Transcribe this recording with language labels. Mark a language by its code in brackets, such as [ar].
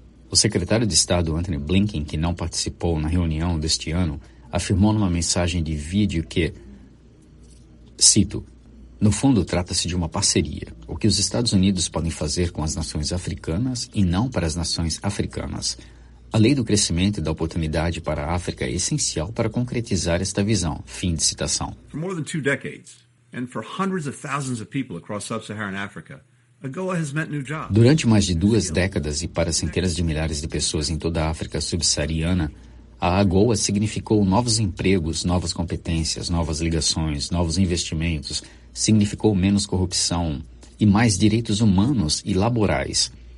[pt] O secretário de Estado, Antony Blinken, que não participou na reunião deste ano, afirmou numa mensagem de vídeo que, cito, "No fundo, trata-se de uma parceria. O que os Estados Unidos podem fazer com as nações africanas e não para as nações africanas. A lei do crescimento e da oportunidade para a África é essencial para concretizar esta visão." Fim de citação. [en] For more than 2 decades and for hundreds of thousands of people across sub-Saharan Africa, AGOA has meant new jobs. [pt] Durante mais de 2 décadas e para centenas de milhares de pessoas em toda a África subsaariana, a AGOA significou novos empregos, novas competências, novas ligações, novos investimentos, significou menos corrupção e mais direitos humanos e laborais.